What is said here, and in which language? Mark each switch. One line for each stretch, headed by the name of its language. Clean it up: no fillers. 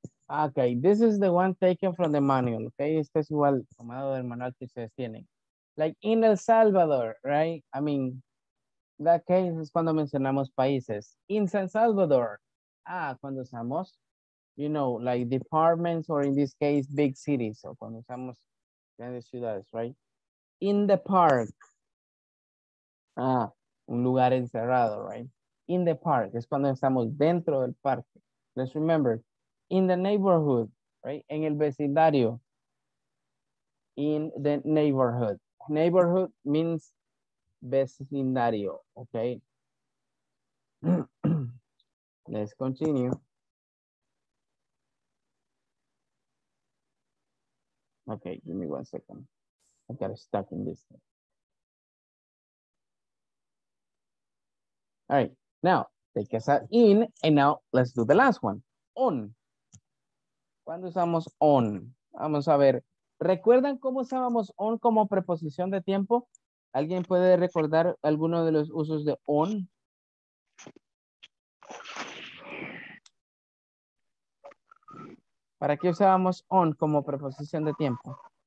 English: Okay, this is the one taken from the manual, okay?
Spanish: Este es igual tomado del manual que ustedes tienen.
English: Like in El Salvador, right? I mean, that case is
Spanish: cuando mencionamos países.
English: In San Salvador, ah,
Spanish: cuando usamos,
English: you know, like departments or in this case, big cities,
Spanish: o cuando usamos grandes ciudades,
English: right? In the park, ah,
Spanish: un lugar encerrado,
English: right? In the park,
Spanish: es cuando estamos dentro del parque.
English: Let's remember, in the neighborhood, right?
Spanish: En el vecindario.
English: In the neighborhood. Neighborhood means vecindario, okay? Let's continue. Okay, give me one second. I got stuck in this thing. All right, now, take us out in, and now let's do the last one, on.
Spanish: ¿Cuándo usamos on? Vamos a ver. ¿Recuerdan cómo usábamos on como preposición de tiempo? ¿Alguien puede recordar alguno de los usos de on? ¿Para qué usábamos on como preposición de tiempo?